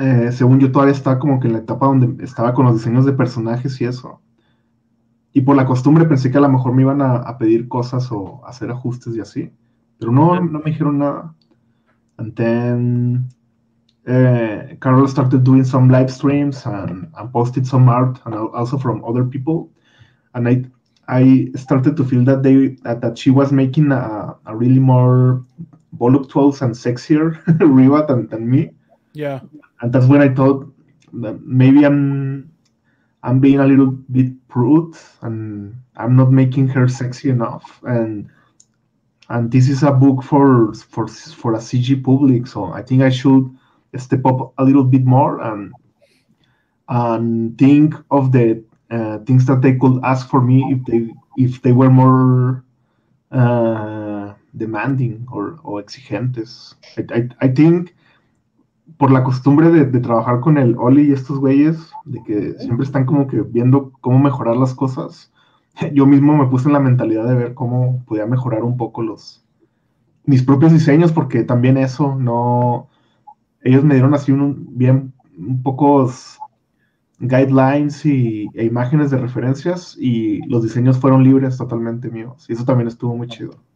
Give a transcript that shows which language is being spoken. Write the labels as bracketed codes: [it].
[es] Según yo, todavía está como que en la etapa donde estaba con los diseños de personajes y eso. Y por la costumbre pensé que a lo mejor me iban a pedir cosas o hacer ajustes y así. Pero no me dijeron nada. [en] And then, Carol started doing some live streams and posted some art and also from other people. And I started to feel that she was making a really more voluptuous and sexier Riva than me. Yeah. And that's when I thought that maybe I'm being a little bit prude and I'm not making her sexy enough. And this is a book for a CG public, so I think I should step up a little bit more and think of the things that they could ask for me if they were more demanding or exigentes. I think [es] por la costumbre de trabajar con el Oli y estos güeyes, de que siempre están como que viendo cómo mejorar las cosas, yo mismo me puse en la mentalidad de ver cómo podía mejorar un poco mis propios diseños, porque también eso, no, ellos me dieron así un pocos guidelines e imágenes de referencias, y los diseños fueron libres totalmente míos, y eso también estuvo muy chido.